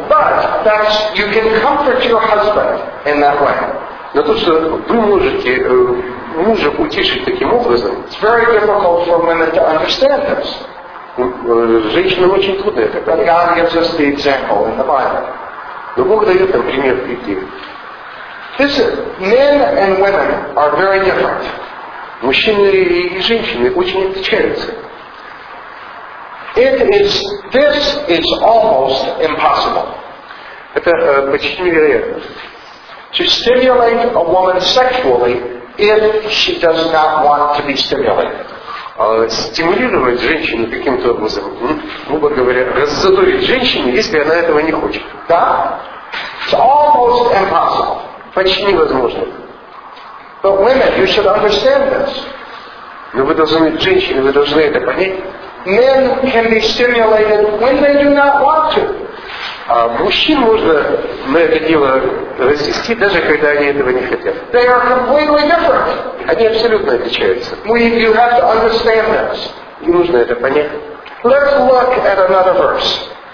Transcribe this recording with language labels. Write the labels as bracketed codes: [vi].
[en] But that you can comfort your husband in that way. [ru] Но то, что вы можете мужа утешить таким образом. [en] It's very difficult for women to understand this. [ru] Женщинам очень трудно это понять. [en] God gives us the example in the Bible. [ru] Но Бог дает там пример в Библии. [en] This is, men and women are very different. [ru] Мужчины и женщины очень отличаются. [en] This is almost impossible. [ru] Это почти невероятно. [en] To stimulate a woman sexually if she does not want to be stimulated. [ru] Стимулировать женщину каким-то образом, грубо говоря, раззадорить женщину, если она этого не хочет. Да? [en] It's almost impossible. [ru] Почти невозможно. [en] But women, you should understand this. [ru] Но вы должны, женщины, вы должны это понять. [en] Men can be stimulated when they do not want to. [ru] А мужчин можно на это дело развести, даже когда они этого не хотят. [en] They are completely different. [ru] Они абсолютно отличаются. [en] You have to understand this. [ru] И нужно это понять. [en] Let's look at another verse.